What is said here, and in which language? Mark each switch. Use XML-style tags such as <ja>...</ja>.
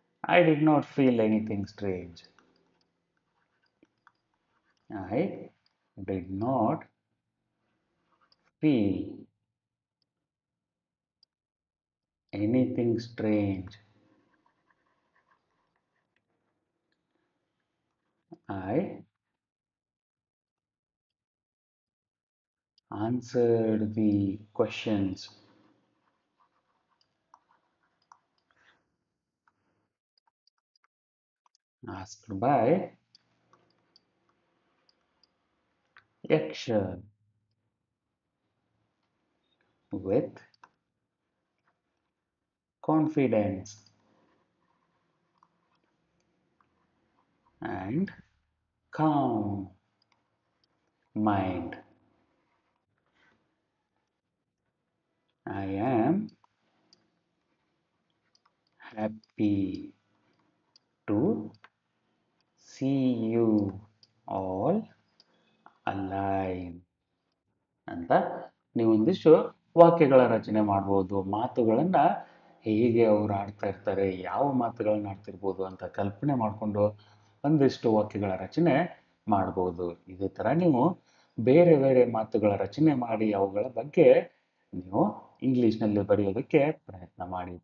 <en>I did not feel anything strange. I did not feel anything strange. I answered the questions asked by Yaksha with confidence and calm mind. I am happy to see you all alive.</en> <kn>ಅಂತ ನೀವು ಒಂದಿಷ್ಟು ವಾಕ್ಯಗಳ ರಚನೆ ಮಾಡ್ಬೋದು. ಮಾತುಗಳನ್ನು ಹೇಗೆ ಅವರು ಆಡ್ತಾ ಇರ್ತಾರೆ, ಯಾವ ಮಾತುಗಳನ್ನು ಆಡ್ತಿರ್ಬೋದು ಅಂತ ಕಲ್ಪನೆ ಮಾಡಿಕೊಂಡು ಒಂದಿಷ್ಟು ವಾಕ್ಯಗಳ ರಚನೆ ಮಾಡ್ಬೋದು. ಇದೇ ಥರ ನೀವು ಬೇರೆ ಬೇರೆ ಮಾತುಗಳ ರಚನೆ ಮಾಡಿ ಅವುಗಳ ಬಗ್ಗೆ ನೀವು ಇಂಗ್ಲೀಷ್ನಲ್ಲಿ ಬರೆಯೋದಕ್ಕೆ ಪ್ರಯತ್ನ ಮಾಡಿ.</kn>